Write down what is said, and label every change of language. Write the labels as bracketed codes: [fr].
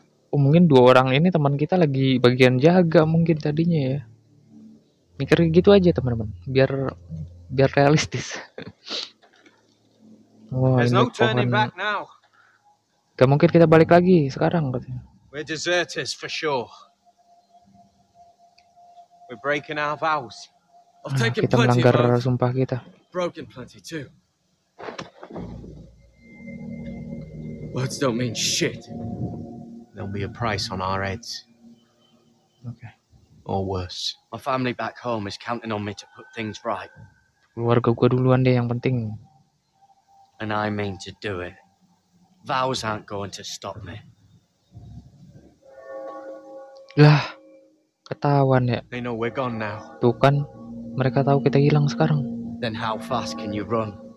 [id] Oh, mungkin dua orang ini teman kita lagi bagian jaga mungkin tadinya ya. Mikir gitu aja teman-teman, biar realistis. Oh, ini [en] no turning [id] pohon. [en] Back now. [id] Gak mungkin kita balik lagi sekarang katanya. [en] We're deserters for sure. We're breaking our vows. [id] Kita melanggar sumpah kita. [en] Broken plenty too. Words don't mean shit. There'll be a price on our heads. Okay. Or worse. My family back home is counting on me to put things right. [id] Keluarga gua duluan deh yang penting. [en] And I mean to do it. Vows aren't going to stop me. [id] Lah, ketahuan ya. [en] They know we're gone now. [id] Tuh kan, mereka tahu kita hilang sekarang. [en] Then how fast can you run?